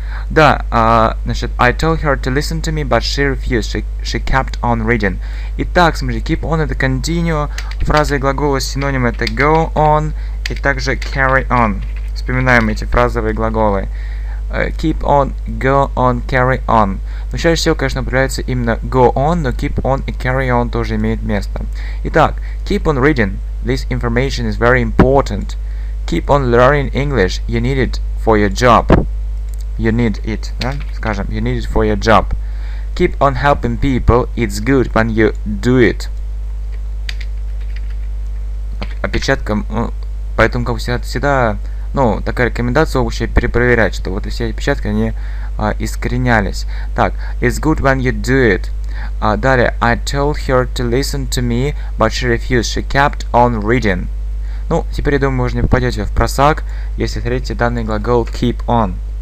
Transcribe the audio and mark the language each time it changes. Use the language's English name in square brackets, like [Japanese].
[English] Да, значит, I told her to listen to me, but she refused. She kept on reading. [Russian] Итак, смотрите, keep on это continue. Фразы и глаголы синонимы это go on и также carry on. Вспоминаем эти фразовые глаголы. [English] Keep on, go on, carry on. [Russian] Но чаще всего, конечно, появляется именно go on, но keep on и carry on тоже имеют место. [English] Итак, keep on reading. This information is very important. Keep on learning English. You need it for your job. You need it, да? Скажем, you need it for your job. Keep on helping people. It's good when you do it. [Russian] Опечатка, поэтому как всегда, ну, такая рекомендация вообще перепроверять, что вот все опечатки, они искоренялись. [English] Так, it's good when you do it. Далее, I told her to listen to me, but she refused. She kept on reading. [Russian] Ну, теперь, я думаю, вы уже не попадете в просак, если встретите данный глагол keep on.